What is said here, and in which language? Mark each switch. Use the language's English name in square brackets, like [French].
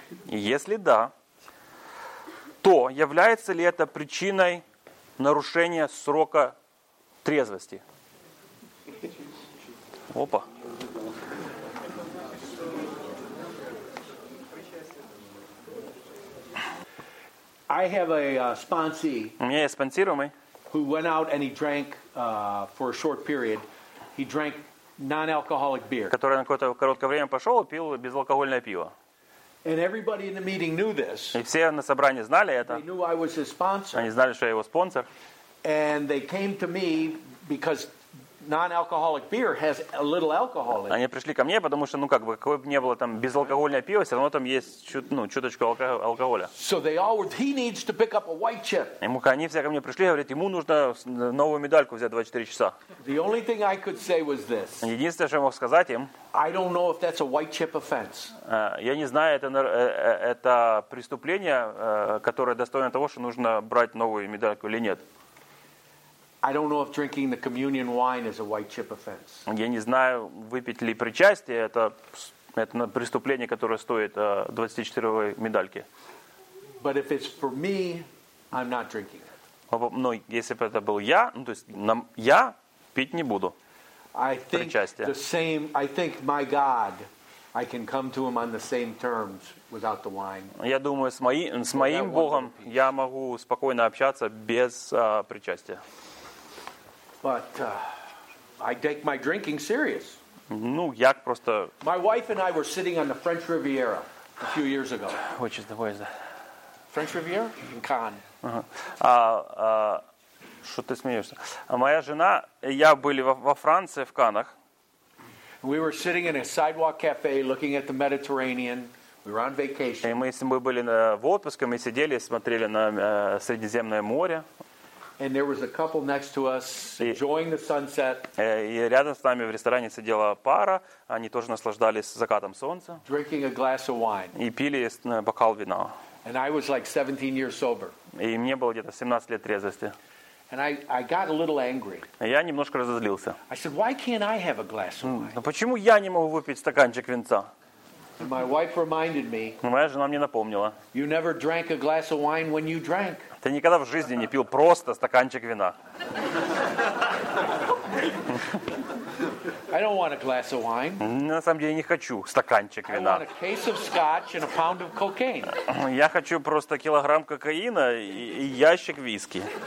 [Russian] И если да, то является ли это причиной нарушения срока трезвости? Опа. [English] I I have a sponsee. [Russian] У меня есть спонсируемый. [English] Who went out and he drank for a short period. He drank non-alcoholic beer. [Russian] Который на какое-то короткое время пошел и пил безалкогольное пиво. [English] And everybody in the meeting knew this. [Russian] И все на собрании знали это. [English] They knew I was his sponsor. [Russian] Они знали, что я его спонсор. [English] And they came to me because non-alcoholic beer has a little alcohol in it. [Russian] Они пришли ко мне, потому что, ну как бы, какое бы ни было там безалкогольное пиво, все равно там есть чуточку алкоголя. [English] So they all were, he needs to pick up a white chip. [Russian] Ему, они все ко мне пришли, говорят, ему нужно новую медальку взять 24 часа. [English] The only thing I could say was this. [Russian] Единственное, что я мог сказать им. [English] I don't know if that's a white chip offense. [Russian] Я не знаю, это преступление, которое достойно того, что нужно брать новую медальку или нет. [English] I don't know if drinking the communion wine is a white chip offense. [Russian] Я не знаю, выпить ли причастие это преступление, которое стоит 24-й медальки. [English] But if it's for me, I'm not drinking it. [Russian] Но если бы это был я, ну то есть я пить не буду. [English] I think [Russian] причастие. [English] The same. I think my God, I can come to Him on the same terms without the wine. [Russian] Я думаю, с моим Богом я могу спокойно общаться без причастия. [English] But I take my drinking serious. [Russian] Ну, я просто. [English] My wife and I were sitting on the French Riviera a few years ago. Which is the where is that? French Riviera in Cannes. [Russian] Что ты смеешься? А моя жена и я были во Франции в Каннах. [English] We were sitting in a sidewalk cafe looking at the Mediterranean. We were on vacation. [Russian] И мы были в отпуске, мы сидели, смотрели на Средиземное море. [English] And there was a couple next to us enjoying the sunset. [Russian] И рядом с нами в ресторане сидела пара, они тоже наслаждались закатом солнца. [English] Drinking a glass of wine. [Russian] И пили бокал вина. [English] And I was like 17 years sober. [Russian] И мне было где-то 17 лет трезвости. [English] And I got a little angry. [Russian] Я немножко разозлился. [English] I said, why can't I have a glass of wine? [Russian] Ну почему я не могу выпить стаканчик винца? [English] And my wife reminded me. [Russian] Моя жена мне напомнила. [English] You never drank a glass of wine when you drank. [Russian] Ты никогда в жизни не пил просто стаканчик вина. [English] I don't want a glass of wine. [Russian] На самом деле не хочу стаканчик вина. [English] I want a case of scotch and a pound of cocaine. [Russian] Я хочу просто килограмм кокаина и ящик виски.